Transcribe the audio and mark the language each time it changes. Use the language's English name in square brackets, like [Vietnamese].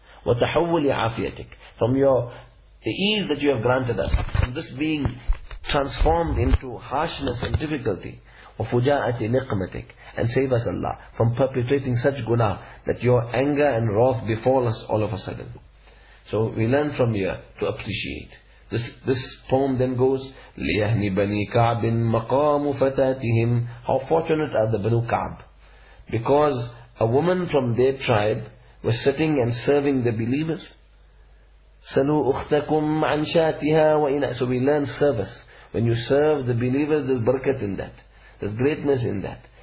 [Arabic] Wa tahawwuli afiyatik. [English] From the ease that you have granted us. From this being transformed into harshness and difficulty. [Arabic] Wa fuja'ati niqmatik. [English] And save us, Allah, from perpetrating such guna that your anger and wrath befall us all of a sudden. So we learn from here to appreciate. This poem then goes, [Arabic] لِيَهْنِ بَنِي كَعْبٍ مَقَامُ فَتَاتِهِمْ. [English] How fortunate are the Banu Ka'b. Because a woman from their tribe was sitting and serving the believers. [Arabic] سَلُوا أُخْتَكُمْ عَنْ شَاتِهَا وَإِنَا. [English] So we learn service. When you serve the believers, there's barakat in that. There's greatness in that.